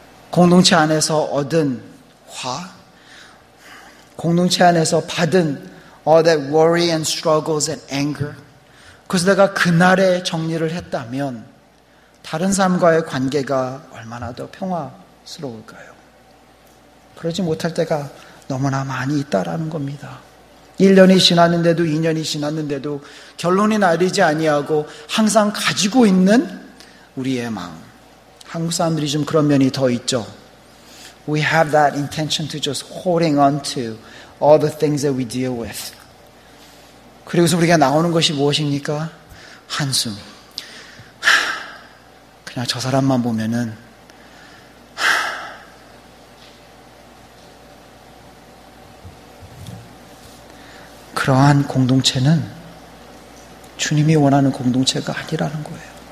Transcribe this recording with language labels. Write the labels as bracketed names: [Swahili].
[Korean] 공동체 안에서 얻은 화, 공동체 안에서 받은 [English] all that worry and struggles and anger, [Korean] 그래서 내가 그날에 정리를 했다면 다른 사람과의 관계가 얼마나 더 평화스러울까요? 그러지 못할 때가 너무나 많이 있다라는 겁니다. 1년이 지났는데도 2년이 지났는데도 결론이 나리지 아니하고 항상 가지고 있는 우리의 마음. 한국 사람들이 좀 그런 면이 더 있죠. [English] We have that intention to just holding on to all the things that we deal with. [Korean] 그리고서 우리가 나오는 것이 무엇입니까? 한숨. 그냥 저 사람만 보면은 그러한 공동체는 주님이 원하는 공동체가 아니라는 거예요.